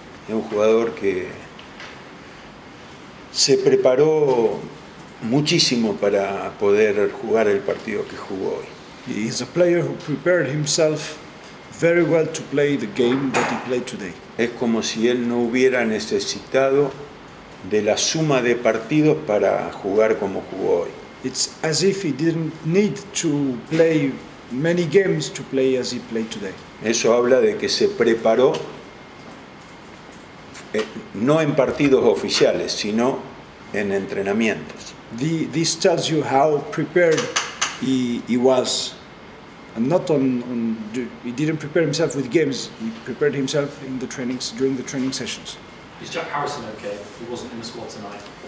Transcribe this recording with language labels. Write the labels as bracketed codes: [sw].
[es] Es un jugador que se preparó muchísimo para poder jugar el partido que jugó hoy. [en] He is a player who prepared himself very well to play the game that he played today. [es] Es como si él no hubiera necesitado de la suma de partidos para jugar como jugó hoy. [en] It's as if he didn't need to play many games to play as he played today. [es] Eso habla de que se preparó no en partidos oficiales, sino en entrenamientos. [en] This tells you how prepared he was, and not on. He didn't prepare himself with games. He prepared himself in the trainings during the training sessions. Is Jack Harrison okay? He wasn't in the squad tonight.